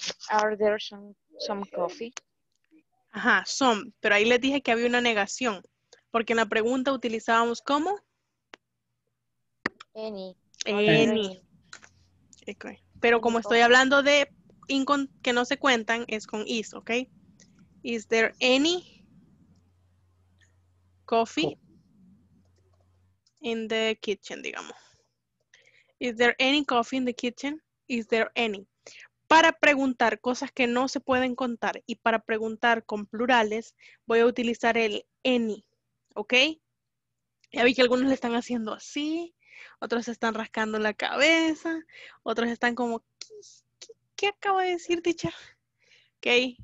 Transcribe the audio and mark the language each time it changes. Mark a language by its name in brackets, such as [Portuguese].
[English] Are there some coffee? Ajá, some. [Spanish] Pero ahí les dije que había una negación. Porque en la pregunta utilizábamos ¿cómo? [English] Any. Okay. [Spanish] Pero como estoy hablando de que no se cuentan, es con is, ¿ok? [English] Is there any coffee in the kitchen, [Spanish] digamos? [English] Is there any coffee in the kitchen? Is there any? [Spanish] Para preguntar cosas que no se pueden contar y para preguntar con plurales, voy a utilizar el any, ¿ok? Ya vi que algunos le están haciendo así, otros están rascando la cabeza, otros están como, ¿qué acabo de decir, teacher? ¿Ok?